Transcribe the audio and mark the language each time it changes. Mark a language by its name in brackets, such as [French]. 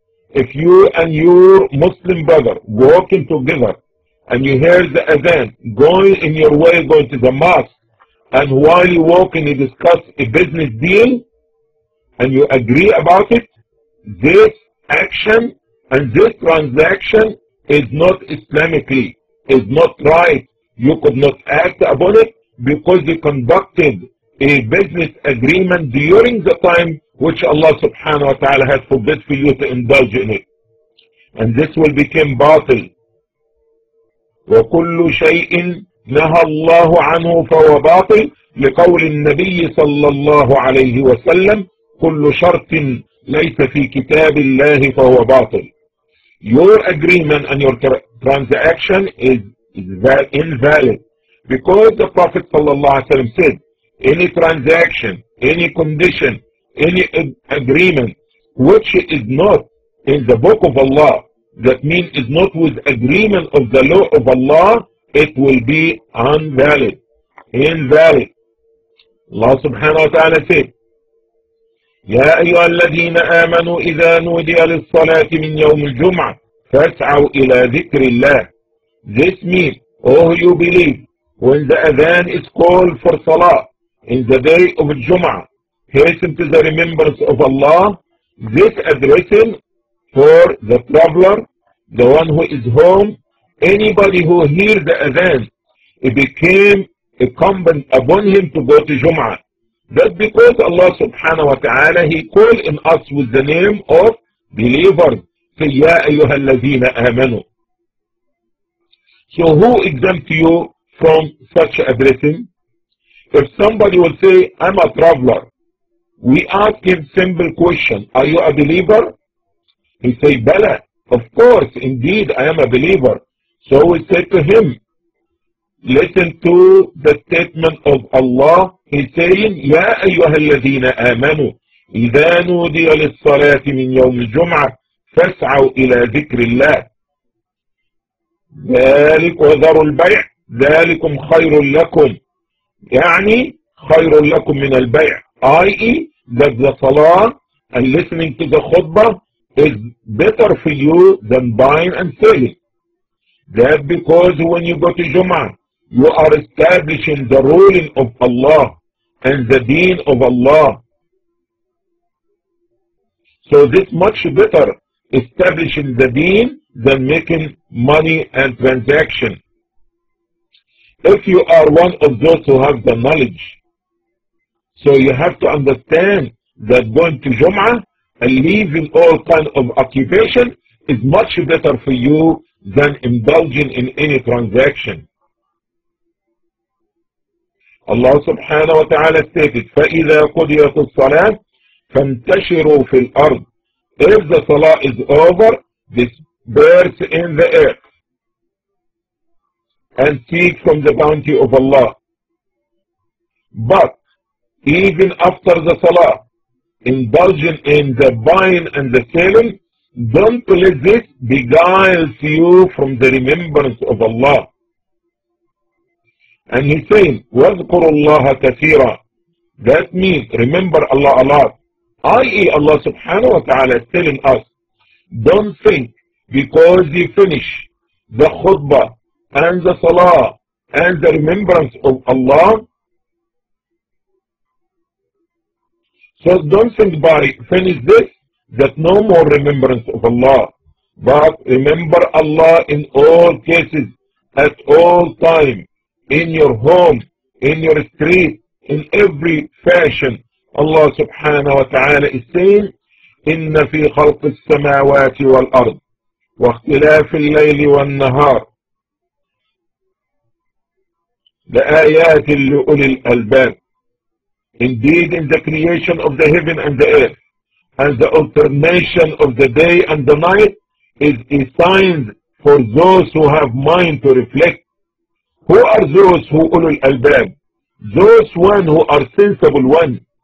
[English] If you and your Muslim brother walking together and you hear the adhan going in your way, going to the mosque, and while you walk and you discuss a business deal, and you agree about it, this action and this transaction is not Islamically, is not right. You could not act upon it because you conducted a business agreement during the time which Allah subhanahu wa ta'ala has forbid for you to indulge in it. And this will become batil. [Arabic] وَكُلُّ شَيْءٍ نَهَى اللَّهُ عَنْهُ فَهُوَ بَاطِلٍ لِقَوْلِ النَّبِيِّ صَلَّى اللَّهُ عَلَيْهِ وَسَلَّمْ كل شرط ليس في كتاب الله فهو باطل. [English] Your agreement and your transaction is invalid because the Prophet sallallahu alaihi wasallam said, any transaction, any condition, any agreement which is not in the book of Allah, that means is not with agreement of the law of Allah, it will be invalid. Invalid. [Arabic] Allah subhanahu wa ta'ala [English] said, [Arabic] يا أيها الذين آمنوا إذا نودي للصلاة من يوم الجمعة فاسعوا إلى ذكر الله. [English] This means, oh you believe, when the adhan is called for salah in the day of Jum'ah, hasten to the remembrance of Allah. This addressing for the traveler, the one who is home, anybody who hears the adhan, it became incumbent upon him to go to Jum'ah. That because Allah subhanahu wa ta'ala, he called in us with the name of believers. Say, [Arabic] يَا أَيُّهَا الَّذِينَ آمَنُوا. [English] So who exempt you from such addressing? If somebody will say, I'm a traveler, we ask him simple question, are you a believer? He say, بَلَى, of course, indeed, I am a believer. So we say to him, listen to the statement of Allah. He's saying, [Arabic] يا أيها الذين آمنوا إذا نودي للصلاة من يوم الجمعة فاسعوا إلى ذكر الله ذلك وذروا البيع ذلكم خير لكم. يعني خير لكم من البيع, i.e. [English] that the salah and listening to the khutbah is better for you than buying and selling. That because when you go to Jum'ah, you are establishing the ruling of Allah and the deen of Allah. So this much better establishing the deen than making money and transaction. If you are one of those who have the knowledge, so you have to understand that going to Jum'ah and leaving all kind of occupation is much better for you than indulging in any transaction. [Arabic] الله سبحانه وتعالى استيفت فإذا قضيت الصلاة فانتشروا في الأرض. [English] If the salah is over, disperse in the earth and seek from the bounty of Allah. But even after the salah, indulging in the buying and the selling, don't let this beguile you from the remembrance of Allah. And he's saying, [Arabic] وَذْكُرُ اللَّهَ كَثِيرًا. [English] That means, remember Allah a lot. I.e. Allah subhanahu wa ta'ala is telling us, don't think because you finish the khutbah and the salah and the remembrance of Allah. So don't think by finish this that no more remembrance of Allah. But remember Allah in all cases, at all time, in your home, in your street, in every fashion. [Arabic] Allah subhanahu wa ta'ala [English] is saying, [Arabic] إِنَّ فِي خَلْقِ السَّمَاوَاتِ وَالْأَرْضِ وَاخْتِلَافِ اللَّيْلِ وَالنَّهَارِ لَآيَاتِ لِأُولِي الْأَلْبَابِ. [English] Indeed, in the creation of the heaven and the earth, and the alternation of the day and the night, is a sign for those who have mind to reflect. Who are those who [Arabic] أُولُو الْأَلْبَابِ? [English] Those one who are sensible one.